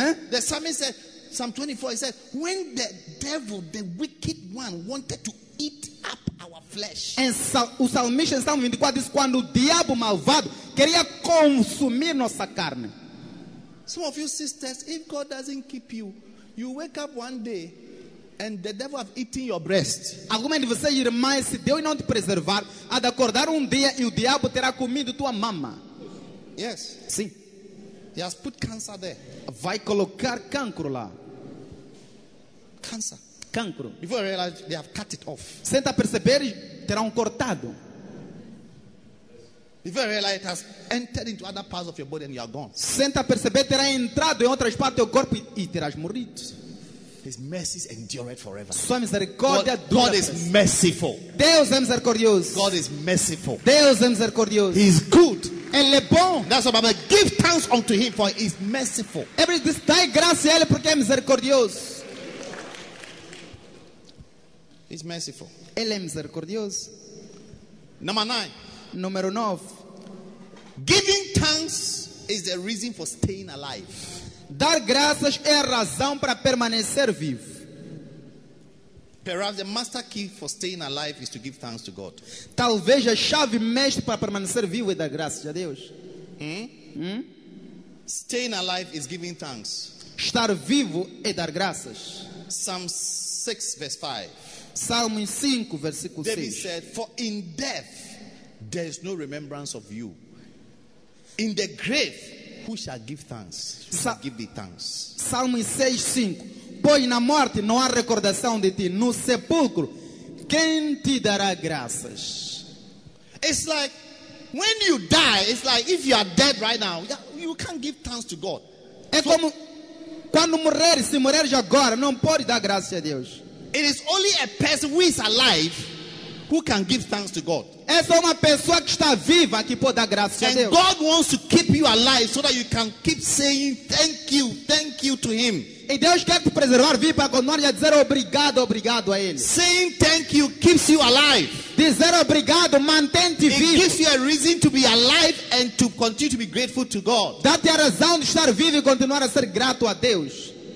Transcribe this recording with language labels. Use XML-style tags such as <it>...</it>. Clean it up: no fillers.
<en>The psalmist said, Psalm 24, he said, when the devil, the wicked one, wanted to eat up our flesh.</en> <pt>And o salmista em Salmo 24 diz, quando o diabo malvado queria consumir nossa carne.</pt> <en>Some of you sisters, if God doesn't keep you, you wake up one day and the devil have eaten your breast.</en> <pt>Alguma de vocês, irmãs, se Deus não te preservar, há de acordar dia e o diabo terá comido tua mama.</pt> <en>Yes.</en> <pt>Sim.</pt> <en>He has put cancer there.</en> <pt>Vai colocar cancro lá.</pt> <en>Cancer.</en> <pt>Cancro.</pt> <en>Before I realize, they have cut it off.</en> <pt>Sem te perceber, terão cortado.</pt> <en>Before I realize, it has entered into other parts of your body and you are gone.</en> <pt>Sem te perceber, terá entrado em outras partes do corpo e terás morrido.</pt> <en>His mercies endure forever.</en> <pt>Sua misericórdia dura.</pt> <en>God is merciful.</en> <pt>Deus é misericordioso.</pt> <en>God is merciful.</en> <pt>Deus é misericordioso.</pt> <en>He is good.</en> <pt>Ele é bom.</pt> <en>That's what I'm saying. Give thanks unto him, for he is merciful. Every this</en> <pt>dai graças a ele porque é misericordioso.</pt> <en>He's merciful.</en> <pt>Ele é misericordioso.</pt> <en>Number 9.</en> <pt>Número 9.</pt> <en>Giving thanks is the reason for staying alive.</en> <pt>Dar graças é a razão para permanecer vivo.</pt> <en>Perhaps the master key for staying alive is to give thanks to God.</en> <pt>Talvez a chave mestre para permanecer vivo é dar graças a Deus.</pt> <en>Staying alive is giving thanks.</en> <pt>Estar vivo é dar graças.</pt> <en>Psalm 6 verse 5.</en> <pt>Salmo 5 versículo 6.</pt> <en>David said, for in death there is no remembrance of you. In the grave who shall give thanks? Who shall give thee thanks?</en> <pt>Salmo 6, 5. Pois na morte não há recordação de ti. No sepulcro, quem te dará graças?</pt> <en>It's like, when you die, it's like, if you are dead right now, you can't give thanks to God.</en> <pt>É so, como, quando morrer, se morrer agora, não pode dar graças a Deus.</pt> <en>It is only a person who is alive who can give thanks to God.</en> <pt>Essa é uma pessoa que está viva que pode dar graças</pt> <en>and</en> <pt>a Deus.</pt> <en>God wants to keep you alive so that you can keep saying thank you to him.</en> <pt>E Deus quer te preservar vivo para continuar a dizer obrigado, obrigado a ele.</pt> <en>Saying thank you keeps you alive.</en> <pt>Dizer obrigado mantém-te vivo.</pt> <en>It gives you a reason to be alive and to continue to be grateful to God.</en> <pt>Dá-te a razão de estar vivo e continuar a ser grato a Deus.</pt>